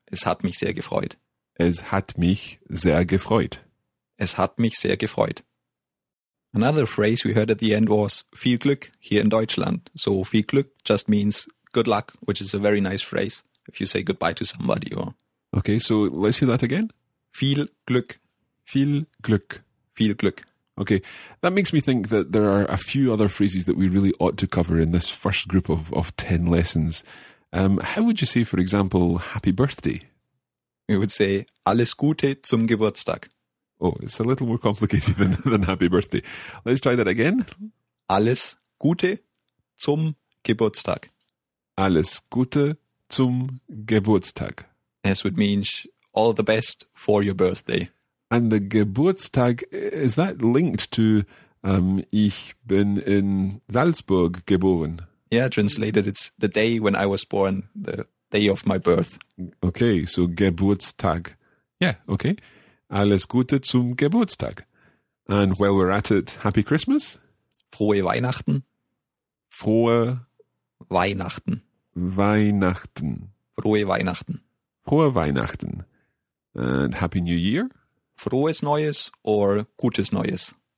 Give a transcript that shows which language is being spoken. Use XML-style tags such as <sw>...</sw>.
<de>Es hat mich sehr gefreut. Es hat mich sehr gefreut. Es hat mich sehr gefreut.</de> <en>Another phrase we heard at the end was</en> <de>viel Glück</de> <en>here in Deutschland. So</en> <de>viel Glück</de> <en>just means good luck, which is a very nice phrase if you say goodbye to somebody. Or okay, so let's hear that again.</en> <de>Viel Glück. Viel Glück. Viel Glück.</de> <en>Okay, that makes me think that there are a few other phrases that we really ought to cover in this first group of 10 lessons. How would you say, for example, happy birthday? We would say</en> <de>alles Gute zum Geburtstag.</de> <en>Oh, it's a little more complicated than happy birthday. Let's try that again.</en> <de>Alles Gute zum Geburtstag. Alles Gute zum Geburtstag.</de> <en>This would mean all the best for your birthday. And the Geburtstag, is that linked to</en> <de>ich bin in Salzburg geboren?</de> <en>Yeah, translated, it's the day when I was born, the day of my birth. Okay, so Geburtstag. Yeah, okay.</en> <de>Alles Gute zum Geburtstag.</de> <en>And while we're at it, happy Christmas.</en> <de>Frohe Weihnachten. Frohe Weihnachten. Weihnachten. Frohe Weihnachten. Frohe Weihnachten.</de> <en>And happy New Year.</en> <de>Frohes Neues or Gutes Neues.</de>